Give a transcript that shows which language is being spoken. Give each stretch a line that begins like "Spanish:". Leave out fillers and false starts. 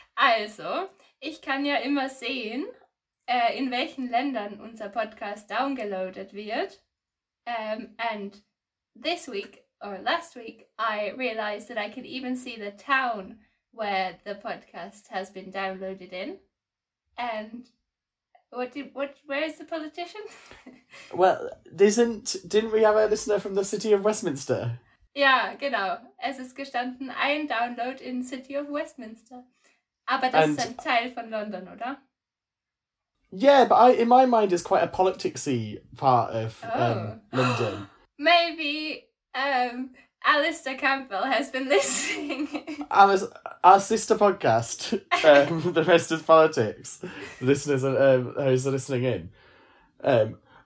German: Also, ich kann ja immer sehen, in welchen Ländern unser Podcast downloaded wird.
English: And this week, or last week, I realized that I can even see the town where the podcast has been downloaded in. And... where is the politician? Well, didn't we have a listener from the city of Westminster?
German: Yeah, genau. Es ist gestanden, ein Download in City of Westminster. Aber das ist ein Teil von London, oder?
English: Yeah, but in my mind it's quite a politics-y part of London. Maybe Alistair Campbell has been listening. Our sister podcast, The Rest is Politics, listeners who's listening in.